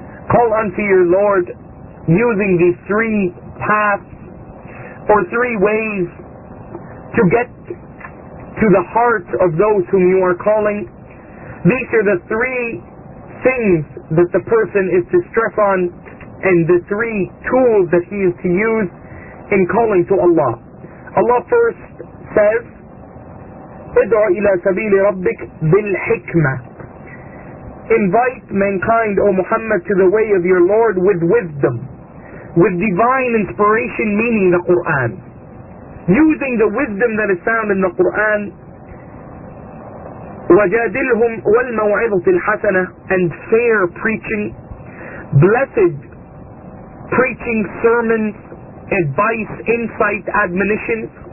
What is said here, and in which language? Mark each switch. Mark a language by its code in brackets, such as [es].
[en] Call unto your Lord using these three paths or three ways to get to the heart of those whom you are calling. These are the three things that the person is to stress on and the three tools that he is to use in calling to Allah. Allah first says, [ar] ادعو إلى سبيل ربك بالحكمة. [en] Invite mankind, O Muhammad, to the way of your Lord with wisdom, with divine inspiration, meaning the Qur'an. Using the wisdom that is found in the Qur'an, [ar] وَجَادِلْهُمْ وَالْمَوْعِظَةِ الْحَسَنَةِ, [en] and fair preaching, blessed preaching, sermons, advice, insight, admonitions.